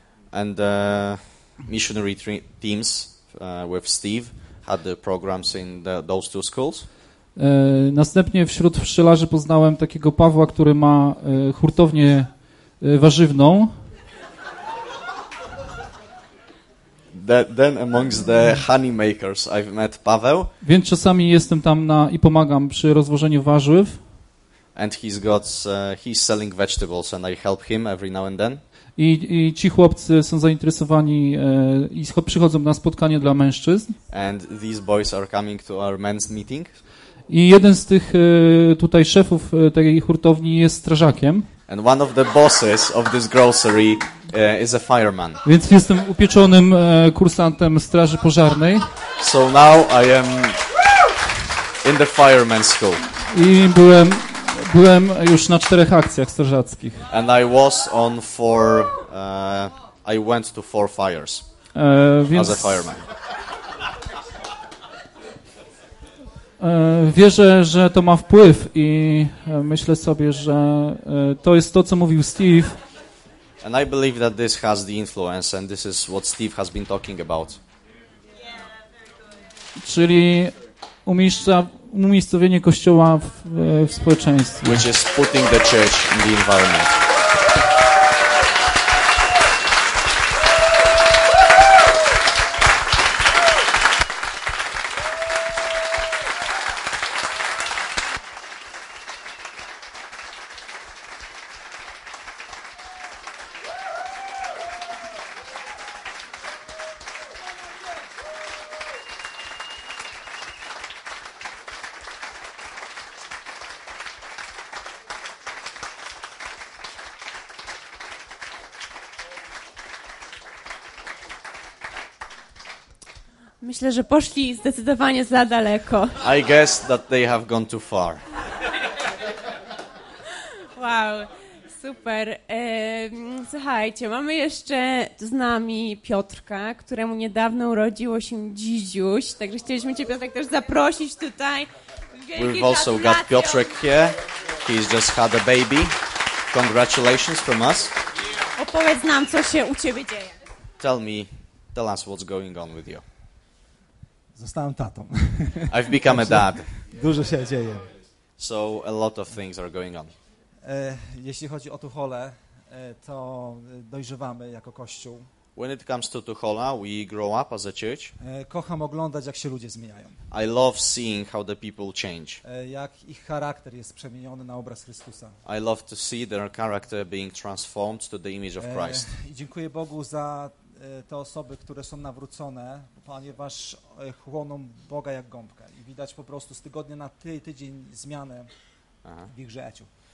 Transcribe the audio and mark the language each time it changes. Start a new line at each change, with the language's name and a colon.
English: And missionary teams with Steve had the programs in those two schools.
Polish: Następnie wśród pszczelarzy poznałem takiego Pawła, który ma hurtownię warzywną.
English: Then amongst the honey makers I've met Paweł.
Polish: Więc czasami jestem tam na i pomagam przy rozwożeniu warzyw.
English: And he's got he's selling vegetables and I help him every now and then.
Polish: I ci chłopcy są zainteresowani i przychodzą na spotkanie dla mężczyzn.
English: And these boys are coming to our men's meeting.
Polish: I jeden z tych tutaj szefów tej hurtowni jest strażakiem.
English: And one of the bosses of this grocery is a fireman.
Polish: Więc jestem upieczonym kursantem straży pożarnej.
English: So now I am in the fireman's school.
Polish: I byłem już na czterech akcjach strażackich.
English: And I was on four I went to four fires. As a fireman.
Polish: Wierzę, że to ma wpływ i myślę sobie, że to jest to, co mówił Steve.
English: And I believe that this has the influence and this is what Steve has been talking about.
Polish: Czyli umiejscowienie kościoła w społeczeństwie.
English: Which is putting the church in the environment.
Polish: Myślę, że poszli zdecydowanie za daleko.
English: I guess that they have gone too far. Wow, super.
Polish: Słuchajcie, mamy jeszcze z nami Piotrka, któremu niedawno urodziło się Dzidziuś. Także chcieliśmy cię, Piotrek, też zaprosić tutaj.
English: We've also got Piotrek here. He's just had a baby. Congratulations from us.
Polish: Opowiedz nam, co się u ciebie dzieje.
English: Tell us what's going on with you.
Polish: Zostałem tatą.
English: I've become a dad.
Polish: Dużo się dzieje.
English: So a lot of things are going on.
Polish: Jeśli chodzi o Tuchole, to dojrzewamy jako kościół.
English: When it comes to Tuchola, we grow up as a church.
Polish: Kocham oglądać, jak się ludzie zmieniają.
English: I love seeing how the people change.
Polish: Jak ich charakter jest przemieniony na obraz Chrystusa.
English: I love to see their character being transformed to the image of Christ.
Polish: I dziękuję Bogu za te osoby, które są nawrócone, ponieważ chłoną Boga jak gąbkę. I widać po prostu z tygodnia na tydzień zmianę w ich życiu.